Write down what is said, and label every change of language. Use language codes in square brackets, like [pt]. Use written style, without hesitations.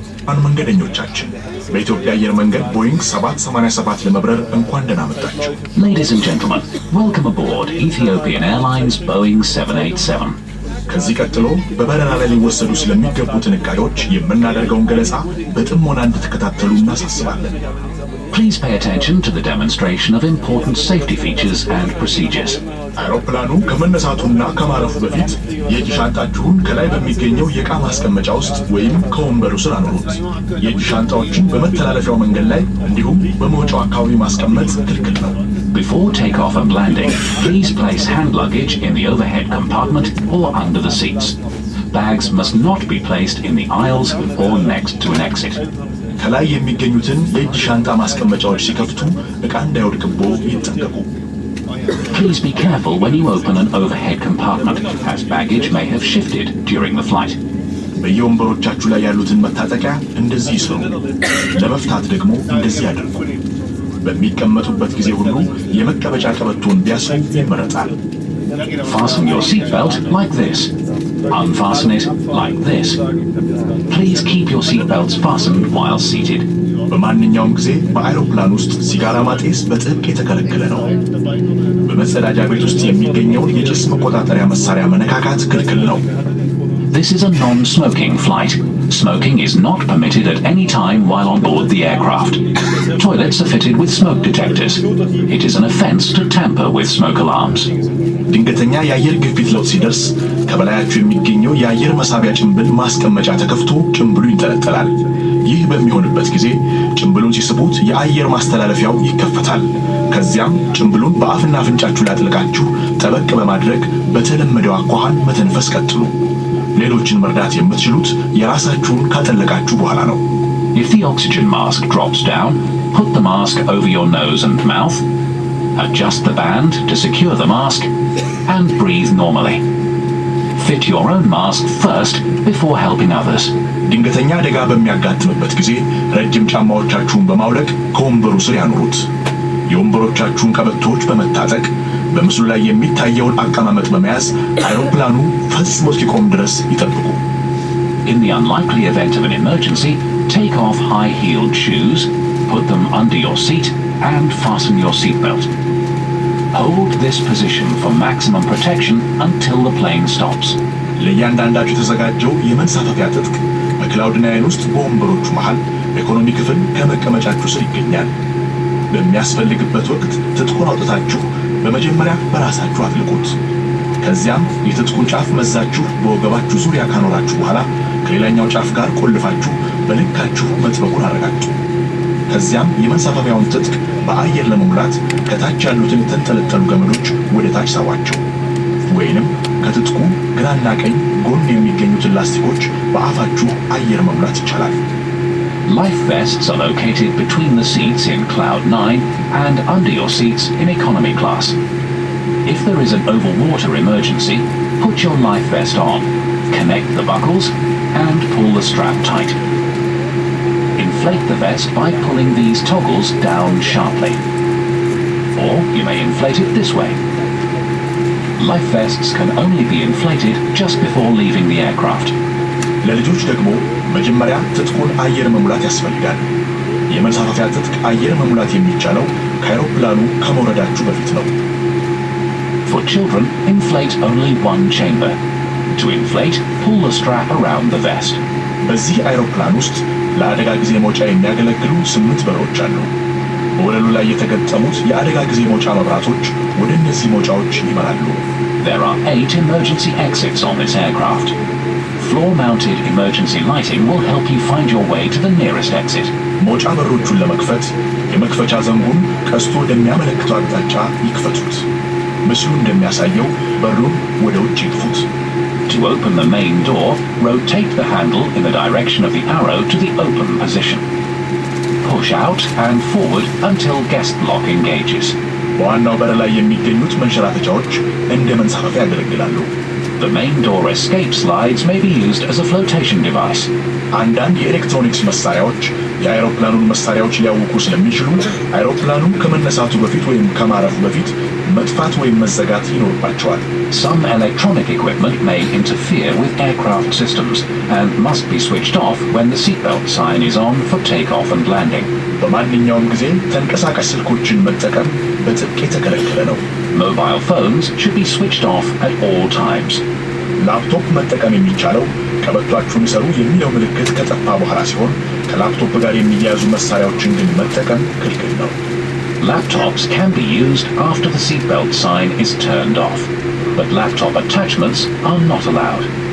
[am] አን መንገደኞቻችን በኢትዮጵያ አየር መንገድ ቦይንግ 787 ለመብረር እንኳን ደህና መጣችሁ። [en] Ladies and gentlemen, welcome aboard Ethiopian Airlines Boeing 787. [am] ከዚህ ቀጥሎ በበረራ ላይ ሊወሰዱ ስለሚገቡ ጥንቃቄዎች የምናደርገውን ገለጻ በጥሞና እንድትከታተሉ እናሳስባለን። [en] Please pay attention to the demonstration of important safety features and procedures. [am] አውሮፕላኑ ከመነሳቱና ከማረፉ በፊት የእጅ ሻንጣችሁን ከላይ በሚገኘው የእቃ ማስቀመጫ ውስጥ ወይም ከወንበሩ ስር አኑሩት። የእጅ ሻንጣዎችን በመተላለፊያው መንገድ ላይ እንዲሁም በመውጫው አካባቢ ማስቀመጥ ክልክል ነው። [en] Before takeoff and landing, please place hand luggage in the overhead compartment or under the seats. Bags must not be placed in the aisles or next to an exit. [am] ከላይ የሚገኙትን የእጅ ሻንጣ ማስቀመጫዎች ሲከፍቱ እቃ እንዳይወድቅቦ ይጠንቀቁ። [en] Please be careful when you open an overhead compartment, as baggage may have shifted during the flight. [am] በየወንበሮቻችሁ ላይ ያሉትን መታጠቂያ እንደዚህ ይስሩ። ለመፍታት ደግሞ እንደዚህ ያድርጉ። በሚቀመጡበት ጊዜ ሁሉ የመቀመጫ ቀበቶን ቢያሳዩ ይመረጣል። [en] Fasten your seat belt like this. Unfasten it like this. Please keep your seat belts fastened while seated. [am] በማንኛውም ጊዜ በአይሮፕላን ውስጥ ሲጋራ ማጤስ በጥብቅ የተከለከለ ነው። በመጸዳጃ ቤት ውስጥ የሚገኘውን የጭስ መቆጣጠሪያ መሳሪያ መነካካት ክልክል ነው። [en] This is a non-smoking flight. Smoking is not permitted at any time while on board the aircraft. Toilets are fitted with smoke detectors. It is an offense to tamper with smoke alarms. [am] ድንገተኛ የአየር ግፊት ለውጥ ሲደርስ ከበላያችሁ የሚገኘው የአየር መሳቢያ ጭንብል ማስቀመጫ ተከፍቶ ጭንብሉ ይንጠለጠላል። ይህ በሚሆንበት ጊዜ ጭንብሉን ሲስቡት የአየር ማስተላለፊያው ይከፈታል። ከዚያም ጭንብሉን በአፍና አፍንጫችሁ ላይ አጥልቃችሁ ጠበቅ በማድረግ በተለመደው አኳኋን መተንፈስ ቀጥሉ። ሌሎችን መርዳት የምትችሉት የራሳችሁን ካጠለቃችሁ በኋላ ነው። [en] If the oxygen mask drops down, put the mask over your nose and mouth. Adjust the band to secure the mask and breathe normally. Fit your own mask first before helping others. [am] ድንገተኛ አደጋ በሚያጋጥምበት ጊዜ ረጅም ጫማዎቻችሁን በማውለቅ ከወንበሩ ስር ያኑሩት። የወንበሮቻችሁን ቀበቶዎች በመታጠቅ በምስሉ ላይ የሚታየውን አቀማመጥ በመያዝ አይሮፕላኑ ፈጽሞ እስኪቆም ድረስ ይጠብቁ። [en] In the unlikely event of an emergency, take off high-heeled shoes, put them under your seat, and fasten your seatbelt. hold this position for maximum protection until the plane stops. [am] ለያንዳንዳችሁ ተዘጋጁ የመንሳፈፊያ ትጥቅ በክላውድ 9 ውስጥ ቦምበሮቹ መሃል ኢኮኖሚ ክፍል ከመቀመጫችሁ ስር ይገኛል። በሚያስፈልግበት ወቅት ትጥቁን አውጥታችሁ በመጀመሪያ በራሳችሁ አጥልቁት። ከዚያም የትጥቁን ጫፍ መዛችሁ በወገባችሁ ዙሪያ ካኖራችሁ በኋላ ከሌላኛው ጫፍ ጋር ቆልፋችሁ በልካችሁ መጥበቁን አረጋግጡ። ከዚያም የመንሳፈፊያውን ትጥቅ በአየር ለመሙላት ከታች ያሉትን የተንጠለጠሉ ገመዶች ወደ ታች ሰዋቸው። ወይንም ከትጥቁ ግራና ቀኝ ጎን የሚገኙትን ላስቲኮች በአፋችሁ አየር መሙላት ይቻላል። [en] Life vests are located between the seats in Cloud 9 and under your seats in Economy Class. If there is an overwater emergency, put your life vest on, connect the buckles, and pull the strap tight. Inflate the vest by pulling these toggles down sharply. Or you may inflate it this way. Life vests can only be inflated just before leaving the aircraft. [am] ለልጆች ደግሞ መጀመሪያ ትጥቁን አየር መሙላት ያስፈልጋል። የመንሳፈፊያ ትጥቅ አየር መሙላት የሚቻለው ከአይሮፕላኑ ከመውረዳችሁ በፊት ነው። [en] For children, inflate only one chamber. To inflate, pull the strap around the vest. [am] በዚህ አይሮፕላን ውስጥ ለአደጋ ጊዜ መውጫ የሚያገለግሉ 8 በሮች አሉ። ወለሉ ላይ የተገጠሙት የአደጋ ጊዜ መውጫ መብራቶች ወደ እነዚህ መውጫዎች ይመራሉ። [en] There are 8 emergency exits on this aircraft. Floor-mounted emergency lighting will help you find your way to the nearest exit. [am] መውጫ በሮቹን ለመክፈት የመክፈቻ ዘንጉን ቀስቶ ወደሚያመለክቱ አቅጣጫ ይክፈቱት። ምስሉ እንደሚያሳየው በሩን ወደ ውጭ ይክፉት። [en] To open the main door, rotate the handle in the direction of the arrow to the open position. Push out and forward until guest lock engages. [am] ዋናው በር ላይ የሚገኙት መንሸራተቻዎች እንደ መንሳፈፊያ ያገለግላሉ። [en] The main door escape slides may be used as a flotation device. And then the electronics [am] መሳሪያዎች የአይሮፕላኑን መሳሪያዎች ሊያውቁ ስለሚችሉ አይሮፕላኑ ከመነሳቱ በፊት ወይም ከማረፉ በፊት መጥፋት ወይም መዘጋት ይኖርባቸዋል። [en] Some electronic equipment may interfere with aircraft systems and must be switched off when the seatbelt sign is on for takeoff and landing. [am] በማንኛውም ጊዜ ተንቀሳቃሽ ስልኮችን መጠቀም በጥብቅ የተከለከለ ነው። [en] Mobile phones should be switched off at all times. [am] ላፕቶፕ መጠቀም የሚቻለው ከበቷችሁን ሰሩ የሚለው ምልክት ከጠፋ በኋላ ሲሆን ከላፕቶፕ ጋር የሚያያዙ መሳሪያዎችን ግን መጠቀም ክልክል ነው። [en] Laptops can be used after the seatbelt sign is turned off, but laptop attachments are not allowed.